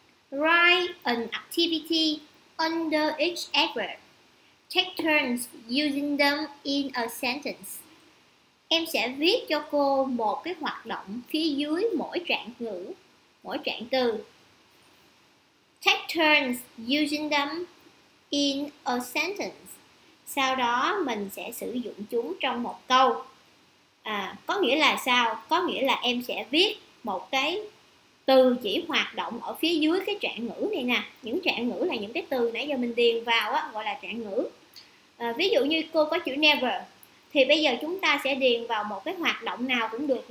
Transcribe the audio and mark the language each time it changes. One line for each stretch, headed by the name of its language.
English: Write an activity under each adverb. Take turns using them in a sentence.
Vietnamese: Em sẽ viết cho cô một cái hoạt động phía dưới mỗi trạng ngữ, mỗi trạng từ.
English: Take turns using them in a sentence.
Vietnamese: Sau đó mình sẽ sử dụng chúng trong một câu. À, có nghĩa là sao? Có nghĩa là em sẽ viết một cái từ chỉ hoạt động ở phía dưới cái trạng ngữ này nè. Những trạng ngữ là những cái từ nãy giờ mình điền vào á, gọi là trạng ngữ. À, ví dụ như cô có chữ never, thì bây giờ chúng ta sẽ điền vào một cái hoạt động nào cũng được.